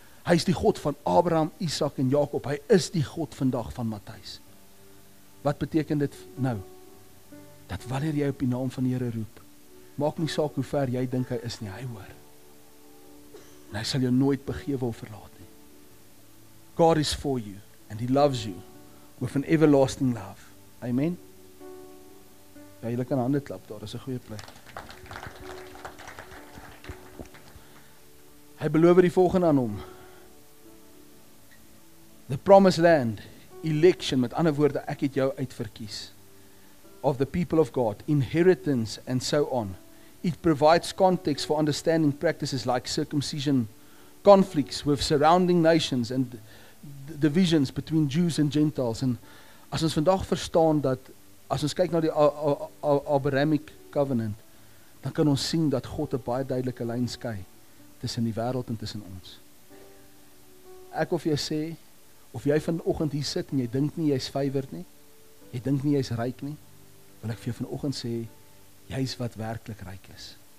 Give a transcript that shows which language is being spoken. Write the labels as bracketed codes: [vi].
[af] Hy is die God van Abraham, Isaac en Jakob. Hy is die God vandag van Matthys. Wat beteken dit nou? Dat wanneer jy op die naam van die Here roep, maak nie saak hoe ver jy dink hy is nie, hy hoor. En hy sal jou nooit begewe of verlaat nie. [en] God is for you and he loves you with an everlasting love. Amen. [af] Ja, jy kan hande klap, daar is 'n goeie plek. Hy beloof die volgende aan hom. [en] The promised land, election, [af] met ander woorde, ek het jou uitverkies. [en] Of the people of God, inheritance and so on. It provides context for understanding practices like circumcision, conflicts with surrounding nations and divisions between Jews and Gentiles. [af] En as ons vandag verstaan dat, as ons kyk na die Abrahamic covenant, dan kan ons sien dat God 'n baie duidelike lyn skei tussen die wêreld en tussen ons. Ek of jy sê, of jy vanoggend hier sit en jy dink nie jy's favored nie, jy dink nie jy's ryk nie, wil ek vir jou vanoggend sê, jy's wat werklik ryk is.